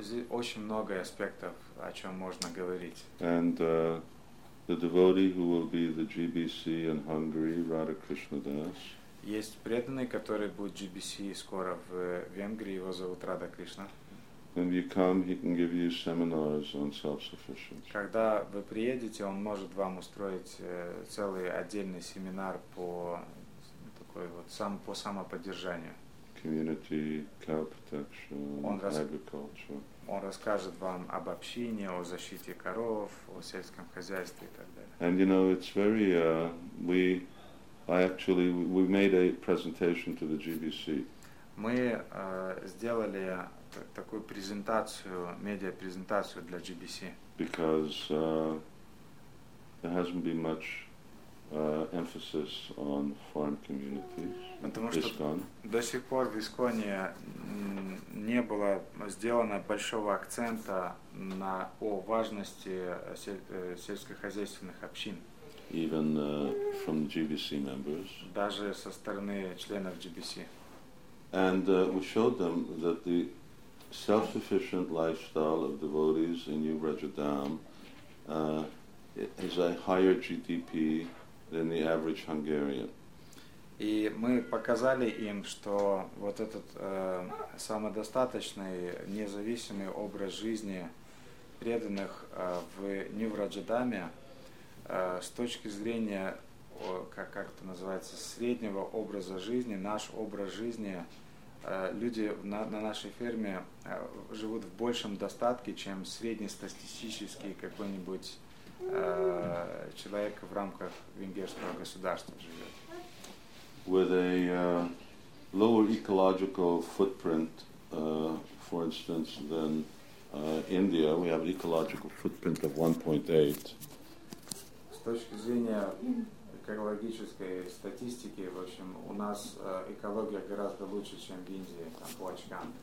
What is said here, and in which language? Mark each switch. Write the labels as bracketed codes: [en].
[ru] Очень много аспектов, о чем можно говорить. [en] And the devotee who will be the GBC in Hungary, Radha Krishna Das. [ru] Есть преданный, который будет GBC скоро в Венгрии. Его зовут Радха Кришна. [en] When you come, he can give you seminars on self-sufficiency. [ru] Когда вы приедете, он может вам устроить целый отдельный семинар по такой вот сам по самоподдержанию. [en] Community, cow protection, agriculture. [ru] Он расскажет вам об общине, о защите коров, о сельском хозяйстве и так далее. [en] And you know, it's very we made a presentation to the GBC. [ru] Мы сделали такую презентацию, медиа-презентацию для GBC. [en] Because there hasn't been much emphasis on farm communities. [ru] Потому что до сих пор в Исконе не было сделано большого акцента на о важности сельскохозяйственных общин. [en] Even from GBC members. [ru] Даже со стороны членов GBC. [en] And we showed them that the self-sufficient lifestyle of devotees in New Rajadham is a higher GDP than the average Hungarian. [ru] И мы показали им, что вот этот самодостаточный, независимый образ жизни преданных в Нью-Раджадаме с точки зрения, как это называется, среднего образа жизни, наш образ жизни. Люди на нашей ферме живут в большем достатке, чем среднестатистический какой-нибудь человек в рамках венгерского государства живет. [en] With a lower ecological footprint, for instance, than India, we have an ecological footprint of 1.8. [ru] С точки зрения экологической статистики, в общем, у нас экология гораздо лучше, чем в Индии, там, по очкам.